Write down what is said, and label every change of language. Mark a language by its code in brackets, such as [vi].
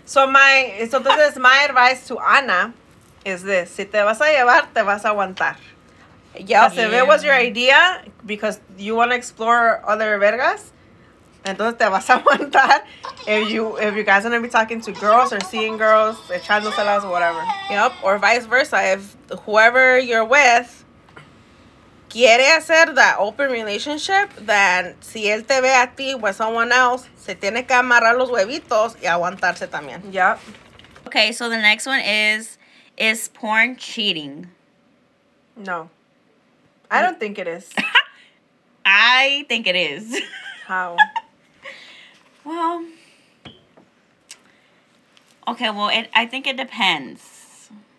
[en] So this is my advice to Anna is this. [es] Si te vas a llevar, te vas a aguantar. [en] Yes. Yeah. If it was your idea because you want to explore other vergas, [es] entonces te vas a aguantar. [en] If you guys are going to be talking to girls or seeing girls, [es] echándoselas, [en] whatever. Yep, or vice versa. If whoever you're with [es] quiere hacer [en] that open relationship, then [es] si él te ve a ti [en] with someone else, [es] se tiene que amarrar los huevitos y aguantarse también. [en] Yep. Okay, so the next one is porn cheating? No. I don't think it is. I think it is. How? Well, okay, well, I think it depends.